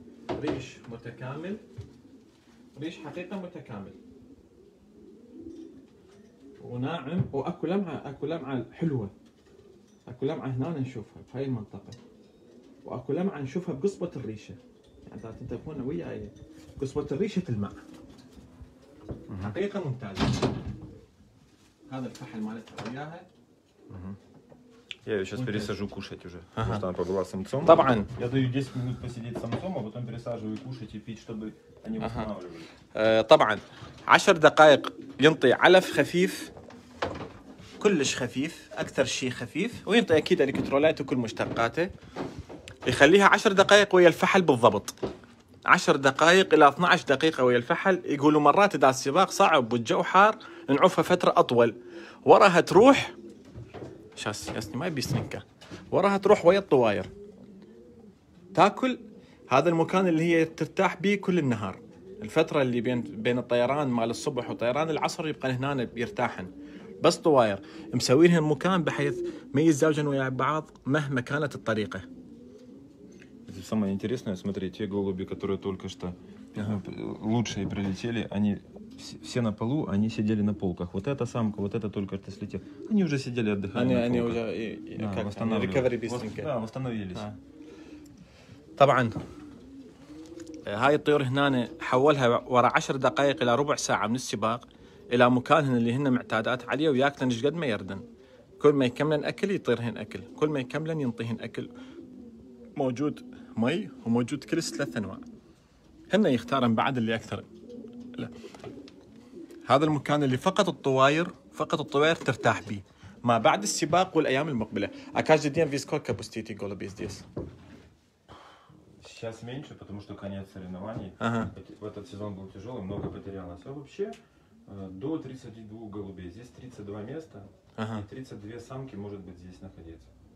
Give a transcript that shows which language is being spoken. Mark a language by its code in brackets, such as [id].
[ar] ريش متكامل ريش حقيقة متكامل وناعم وأكو لمعة حلوة أكو لمعة هنا نشوفها بهاي المنطقة وأكو لمعة نشوفها بقصبة الريشة يعني إذا تنتبهون وياي قصبة الريشة تلمع حقيقة ممتازة هذا الفحل مالتها وياها [ru] Я ее сейчас пересажу кушать уже, потому что она побыла самцом. Табан. Я даю 10 минут посидеть самцом, а потом пересаживаю кушать и пить, чтобы они восстанавливались. Табан. [ar] 10 دقائق ينطي علف خفيف, كلش خفيف, أكثر شيء خفيف, وينطي أكيد الكترولات وكل مشتقاته. يخليها 10 دقائق ويا الفحل بالضبط. 10 دقائق الى 12 دقيقة ويا الفحل. يقولوا مرات اذا السباق صعب والجو حار نعوفها فترة اطول، وراها تروح شاس ياسني ما يبي سنكة، وراها تروح ويا الطواير تاكل هذا المكان اللي هي ترتاح به كل النهار. الفترة اللي بين الطيران مال الصبح وطيران العصر يبقى هنا يرتاحن، بس طواير مسوينها المكان بحيث ما يزدوجن ويا بعض مهما كانت الطريقة. [ru] Самое интересное, смотри, те голуби, которые только что лучшие прилетели, они все на полу, они сидели на полках. Вот эта самка, вот эта только что слетела, они уже сидели отдыхали на полках. Они уже как recovery быстренько. Да, восстановились. [ar] طبعاً هاي الطيور هنا حولها وراء 10 دقائق إلى ربع ساعة من السباق إلى مكانهن اللي هن معتادات عليه ويأكلن إيش قد ما يردن. كل ما يكملن أكل يطيرهن أكل، كل ما يكملن ينطيهن أكل. موجود مي وموجود كلس ثلاث أنواع، هن يختارن بعد اللي أكثر. لا، هذا المكان اللي فقط الطواير، فقط الطواير ترتاح به ما بعد السباق والأيام المقبلة. [ru] أكاش جديا في سكوكا بوستيتي غولوبيز ديس. Сейчас меньше, потому что конец соревнований. Ага. В этот сезон был тяжелый, много потерялось. А вообще до 32 голубей. Здесь 32 места. Ага. И 32 самки может быть здесь находиться.